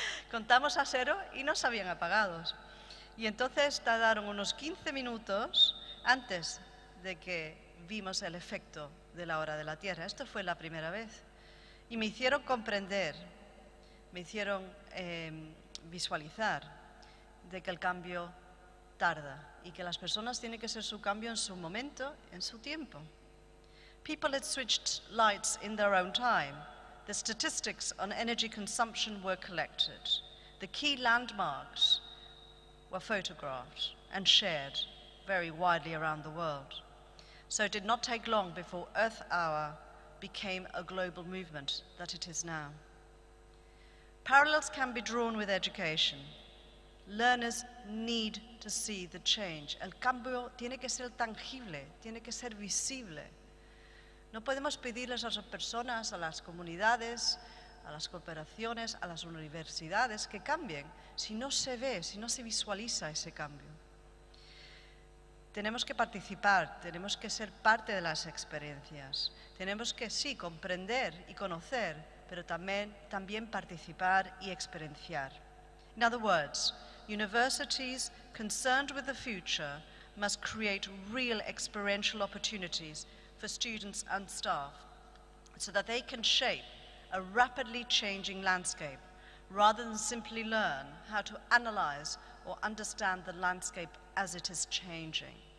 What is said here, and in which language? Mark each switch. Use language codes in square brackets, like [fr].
[es] Contamos a cero y no se habían apagado. Y entonces tardaron unos 15 minutos antes de que vimos el efecto de la hora de la Tierra. Esto fue la primera vez. Y me hicieron comprender, me hicieron visualizar de que el cambio tarda y que las personas tienen que hacer su cambio en su momento, en su tiempo. [en] People had switched lights in their own time. The statistics on energy consumption were collected. The key landmarks were photographed and shared very widely around the world. So it did not take long before Earth Hour became a global movement that it is now. Parallels can be drawn with education. Learners need to see the change. [es] El cambio tiene que ser tangible, tiene que ser visible. No podemos pedirles a las personas, a las comunidades, a las cooperaciones, a las universidades que cambien si no se ve, si no se visualiza ese cambio. Tenemos que participar, tenemos que ser parte de las experiencias. Tenemos que, sí, comprender y conocer, pero también participar y experienciar. [en] In other words, universities concerned with the future must create real experiential opportunities for students and staff, so that they can shape a rapidly changing landscape rather than simply learn how to analyze or understand the landscape as it is changing.